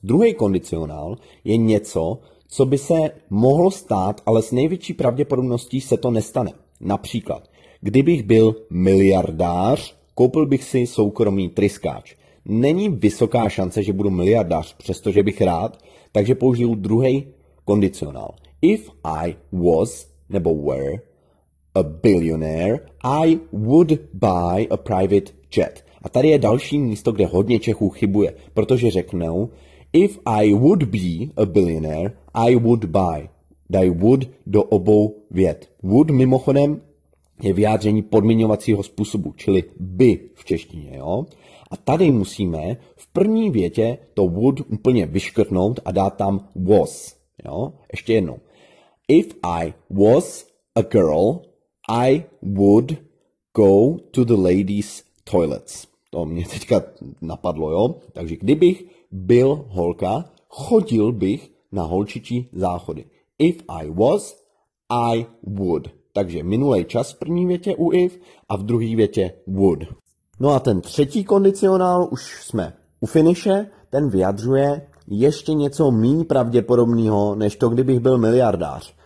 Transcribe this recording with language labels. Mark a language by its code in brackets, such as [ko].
[cs] Druhý kondicionál je něco, co by se mohlo stát, ale s největší pravděpodobností se to nestane. Například, kdybych byl miliardář, koupil bych si soukromý tryskáč. Není vysoká šance, že budu miliardář, přestože bych rád, takže použiju druhý kondicionál. [en] If I was [cs] nebo [en] were a billionaire, I would buy a private jet. [cs] A tady je další místo, kde hodně Čechů chybuje, protože řeknou, [en] if I would be a billionaire, I would buy. [cs] Daj would do obou vět. Would mimochodem je vyjádření podmiňovacího způsobu, čili by v češtině, jo? A tady musíme v první větě to would úplně vyškrtnout a dát tam was, jo? Ještě jednou. [en] If I was a girl, I would go to the ladies' toilets. [cs] To mě teďka napadlo, jo? Takže kdybych byl holka, chodil bych na holčičí záchody. [en] If I was, I would. [cs] Takže minulej čas v první větě u if a v druhé větě would. No a ten třetí kondicionál, už jsme u finiše, ten vyjadřuje ještě něco méně pravděpodobného, než to, kdybych byl miliardář.